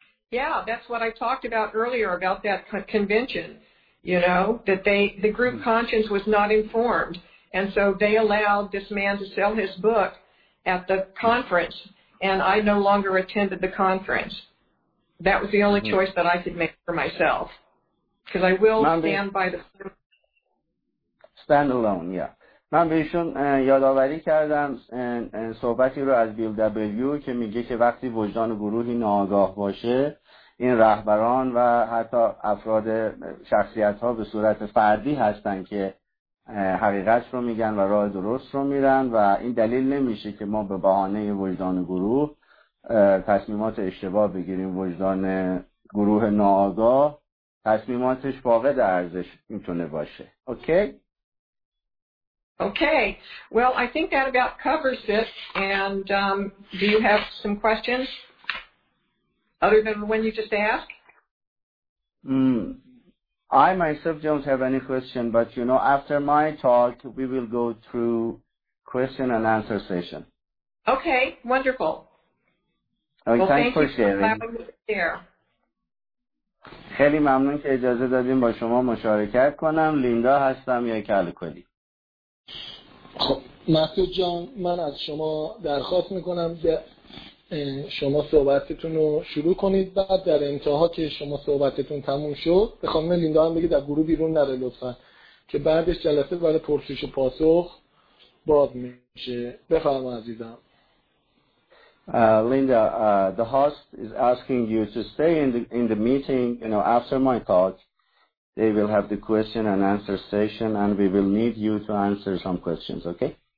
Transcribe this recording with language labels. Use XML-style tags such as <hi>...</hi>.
<en>Yeah, that's what I talked about earlier about that convention, you know, that the group conscience was not informed. And so they allowed this man to sell his book at the conference. And I no longer attended the conference. That was the only choice that I could make for myself. Because I will stand by the... Stand alone, yeah.</en> <fa>من بهشون یادآوری کردم صحبتی رو از بیل دبلیو که میگه که وقتی وجدان گروهی ناآگاه باشه، این رهبران و حتی افراد شخصیت‌ها به صورت فردی هستن که حقیقت رو میگن و راه درست رو میرن، و این دلیل نمیشه که ما به بهانه وجدان گروه تصمیمات اشتباه بگیریم. وجدان گروه ناآگاه تصمیماتش فاقد ارزش میتونه باشه.</fa> <en>Okay. Well, I think that about covers it. And do you have some questions other than the one you just asked? I myself don't have any question, but you know, after my talk, we will go through question and answer session. Okay, wonderful. Okay, well, thanks for sharing.</en> <fa>خیلی ممنون که اجازه دادیم با شما مشارکت کنم. لیندا هستم یا کلکلی. خب محسن جان، من از شما درخواست میکنم که شما صحبتتون رو شروع کنید، بعد در انتها که شما صحبتتون تموم شد به خانم لیندا هم بگید در گروه بیرون نره لطفا، که بعدش جلسه برای پرسش و پاسخ باز میشه. بفرما عزیزم.</fa> <en>Linda, the host is asking you to stay in the meeting, you know, after my talk. They will have the question and answer session, and we will need you to answer some questions, okay?</en>